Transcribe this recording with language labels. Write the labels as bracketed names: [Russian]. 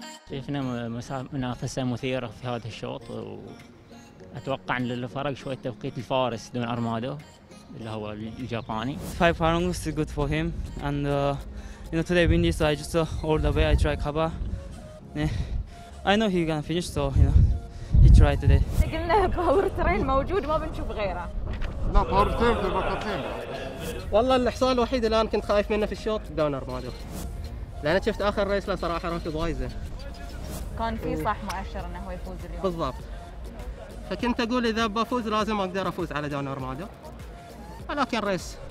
[Arabic] شفنا منافسة مثيرة في هذا الشوط، وأتوقع أن الفرق شوية توقيت الفارس دون أرمادو اللي هو الياباني. [English] Five pounds is good for him and you know today windy so I just all the way I try cover. Yeah. I know he gonna finish so you know he try today. [Arabic] قلنا باور ترين موجود ما بنشوف غيره. لا باور ترين في المقاطعين. والله الحصان الوحيد اللي أنا كنت خايف منه في الشوط دون أرمادو. لأن شفت آخر ريس له صراحة راكب وايزة. كان في صح مؤشر انه هو يفوز اليوم بالضبط، فكنت اقول اذا بفوز لازم اقدر افوز على دون أرمادو، ولكن ريس